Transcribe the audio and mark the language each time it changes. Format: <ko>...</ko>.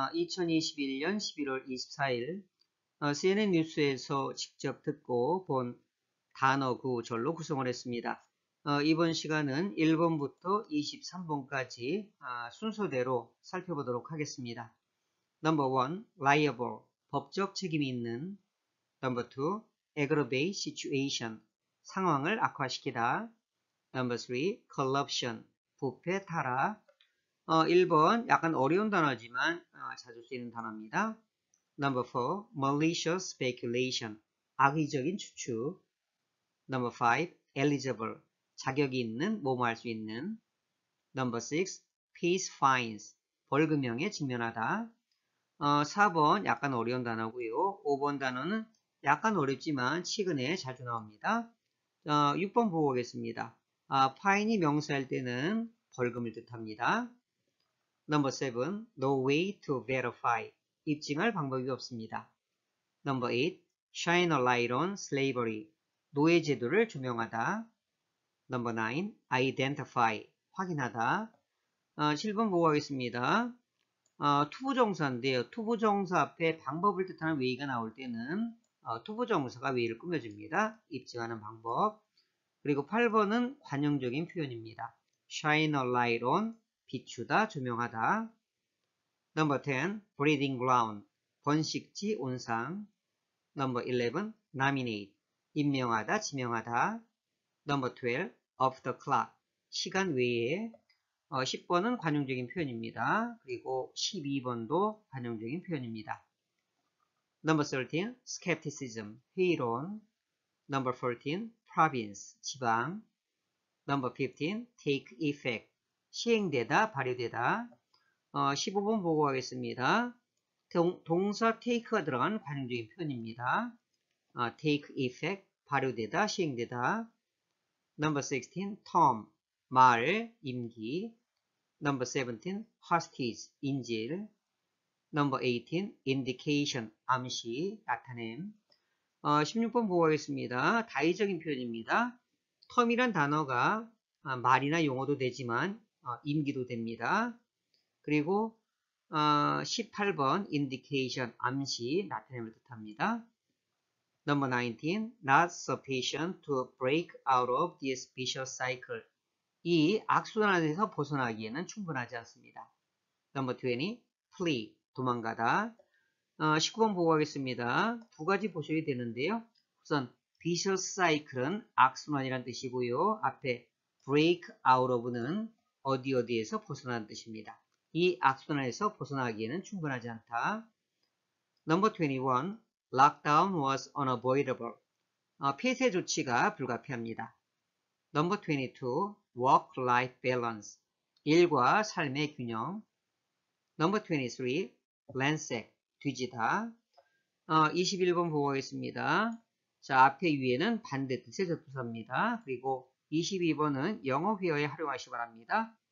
<ko>2021년 11월 24일 CNN 뉴스에서 직접 듣고 본 단어 구절로 구성을 했습니다. 이번 시간은 1번부터 23번까지 순서대로 살펴보도록 하겠습니다.</ko> <en>Number 1, liable,</en> <ko>법적 책임이 있는.</ko> <en>Number 2, aggravate situation,</en> <ko>상황을 악화시키다.</ko> <en>Number 3, corruption,</en> <ko>부패 타락. 1번, 약간 어려운 단어지만 찾을 수 있는 단어입니다.</ko> <en>Number 4, malicious speculation,</en> <ko>악의적인 추측.</ko> <en>Number 5, eligible,</en> <ko>자격이 있는, 뭐뭐 할수 있는.</ko> <en>Number 6, peace fines,</en> <ko>벌금형에 직면하다. 4번, 약간 어려운 단어고요. 5번 단어는 약간 어렵지만 최근에 자주 나옵니다. 6번 보고 오겠습니다. 파인이 명사할 때는 벌금을 뜻합니다.</ko> <en>Number 7, no way to verify.</en> <ko>입증할 방법이 없습니다.</ko> <en>Number 8, shine a light on slavery.</en> <ko>노예 제도를 조명하다.</ko> <en>Number 9, identify.</en> <ko>확인하다. 7번 보고 하겠습니다. 투부정사인데요. 투부정사 앞에 방법을 뜻하는 way가 나올 때는 투부정사가 way를 꾸며줍니다. 입증하는 방법. 그리고 8번은 관용적인 표현입니다.</ko> <en>shine a light on.</en> <ko>비추다, 조명하다.</ko> <en>Number 10, breeding ground,</en> <ko>번식지, 온상.</ko> <en>Number 11, nominate,</en> <ko>임명하다, 지명하다.</ko> <en>Number 12, off the clock,</en> <ko>시간 외에. 10번은 관용적인 표현입니다. 그리고 12번도 관용적인 표현입니다.</ko> <en>Number 13, skepticism,</en> <ko>회의론.</ko> <en>Number 14, province,</en> <ko>지방.</ko> <en>Number 15, take effect,</en> <ko>시행되다, 발효되다. 15번 보고 하겠습니다. 동사 take가 들어간 관용적인 표현입니다. take effect, 발효되다, 시행되다.</ko> <en>Number 16, term,</en> <ko>말, 임기.</ko> <en>Number 17, hostage,</en> <ko>인질.</ko> <en>Number 18, indication,</en> <ko>암시, 나타냄. 16번 보고 하겠습니다. 다의적인 표현입니다. term이란 단어가 말이나 용어도 되지만 임기도 됩니다. 그리고 18번 indication, 암시, 나타냄을 뜻합니다.</ko> <en>Number 19, not sufficient to break out of this vicious cycle.</en> <ko>이 악순환에서 벗어나기에는 충분하지 않습니다.</ko> <en>Number 20, flee,</en> <ko>도망가다. 19번 보고 하겠습니다. 두 가지 보셔야 되는데요. 우선 vicious cycle은 악순환이란 뜻이고요. 앞에 break out of는 어디 어디에서 벗어나는 뜻입니다. 이 악순환에서 벗어나기에는 충분하지 않다.</ko> <en>Number 21. Lockdown was unavoidable.</en> <ko>폐쇄 조치가 불가피합니다.</ko> <en>Number 22. Work-life balance.</en> <ko>일과 삶의 균형.</ko> <en>Number 23. Ransack.</en> <ko>뒤지다. 21번 보고 하겠습니다. 자, 앞에 위에는 반대 뜻의 접두사입니다. 그리고 22번은 영어 회화에 활용하시기 바랍니다.</ko>